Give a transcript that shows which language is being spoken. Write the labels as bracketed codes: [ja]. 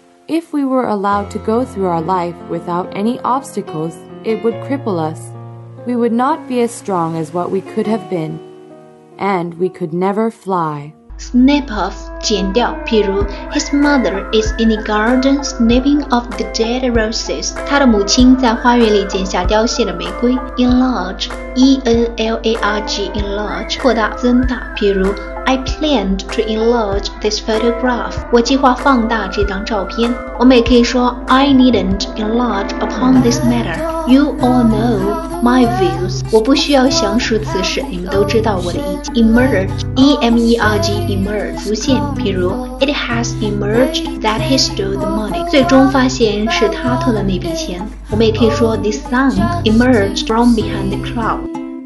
[en] If we were allowed to go through our life without any obstacles, it would cripple us. We would not be as strong as what we could have been. And we could never fly. Snip off, [zh] 剪掉，譬如 [en] His mother is in the garden snipping off the dead roses. [zh] 他的母亲在花园里剪下凋谢的玫瑰。 [en] Enlarge, E-N-L-A-R-G, enlarge, [zh] 扩大，增大，譬如 [en] I planned to enlarge this photograph. [zh] 我计划放大这张照片。我们也可以说 [en] I needn't enlarge upon this matter. You all know my views. [zh] 我不需要详述此事，你们都知道我的意见。 [en] Emerge, E-M-E-R-G, emerge, [zh] 浮现。 比如 [en] It has emerged that he stole the money. [zh] 最终发现是他偷了那笔钱。我们也可以说 [en] The sun emerged from behind the cloud.